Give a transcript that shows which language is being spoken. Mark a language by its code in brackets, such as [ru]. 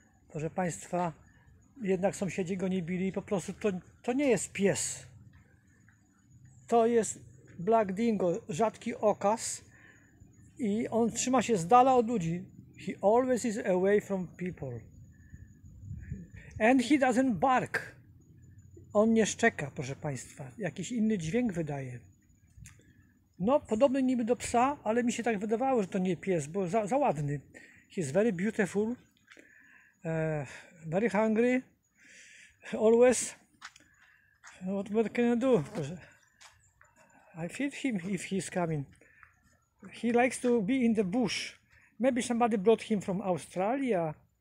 [pl] Proszę Państwa, jednak sąsiedzi go nie bili. Po prostu to nie jest pies. To jest Black Dingo, rzadki okaz. I on trzyma się z dala od ludzi. [en] He always is away from people. And he doesn't bark. [pl] On nie szczeka, proszę Państwa. Jakiś inny dźwięk wydaje. No, podobny niby do psa, ale mi się tak wydawało, że to nie pies, bo za ładny. [en] He's very beautiful, very hungry, always. What more can I do? I feed him if he's coming. He likes to be in the bush. Maybe somebody brought him from Australia.